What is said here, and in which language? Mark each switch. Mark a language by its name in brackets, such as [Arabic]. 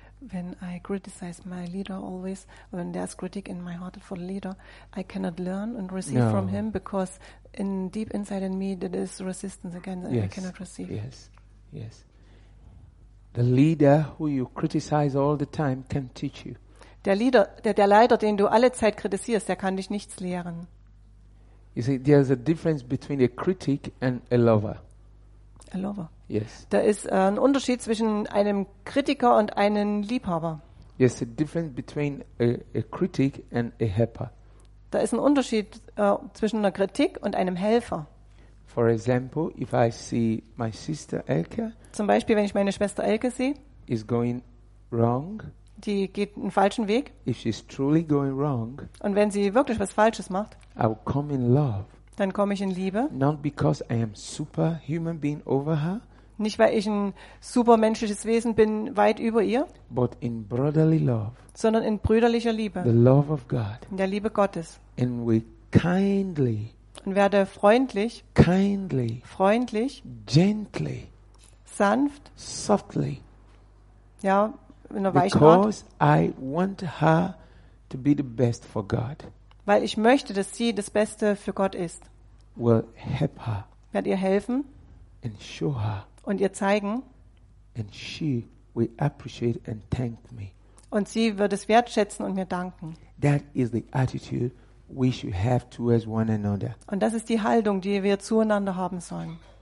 [English] When I criticize my leader always, when there's critique in my heart for the leader, I cannot learn and receive from him because in deep inside in me there is resistance again and I cannot receive. Yes, yes. The leader who you criticize all the time can teach you. [German] Der Leiter, den du alle Zeit kritisierst, der kann dich nichts lehren. [English] You see, there's a difference between a critic and a lover. A lover. Yes. [German] Da ist ein Unterschied zwischen einem Kritiker und einem Liebhaber. [English] Yes, a difference between a critic and a helper. [German] Da ist ein Unterschied zwischen einer Kritik und einem Helfer. [English] For example, if I see my sister Elke, [German] zum Beispiel, wenn ich meine Schwester Elke sehe, [English] is going wrong. [German] Die geht einen falschen Weg. [English] If she's truly going wrong. [German] Und wenn sie wirklich was Falsches macht, [English] I will come in love. [German] Dann komme ich in Liebe. [English] Not because I am super human being over her, [German] nicht weil ich ein super menschliches Wesen bin weit über ihr, [English] but in brotherly love, [German] sondern in brüderlicher Liebe, [English] the love of God, [German] in der Liebe Gottes, [English] and we kindly [German] und werde freundlich, [English] kindly, [German] freundlich, [English] gently, [German] sanft, [English] softly, [German] ja, in einer weichen Art, [English] because I want her to be the best for God. [German] Weil ich möchte, dass sie das Beste für Gott ist. [English] Will help her. [German] Werde ihr helfen. [English] And show her. [German] Und ihr zeigen. [English] And she will appreciate and thank me. [German] Und sie wird es wertschätzen und mir danken. [English] That is the attitude we should have towards one another. [German] Und das ist die Haltung, die wir zueinander haben sollen.